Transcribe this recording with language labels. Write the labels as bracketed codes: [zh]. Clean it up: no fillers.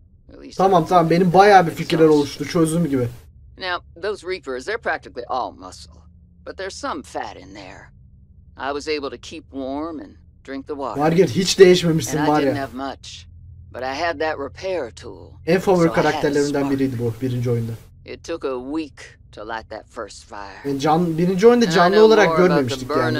[tr] Tamam tamam benim bayağı bir fikirler oluştu çözüm gibi. [en] Now, those Reapers, they're practically all muscle. But there's some fat in there. I was able to keep warm and drink the water. [tr] Margaret hiç değişmemişsin bari. [en] And I didn't have much. But I had that repair tool. [tr] En favori karakterlerimden biriydi bu birinci oyunda. [en] It took a week to light that first fire. [tr] Yani can birinci oyunda canlı olarak görmemiştik yani.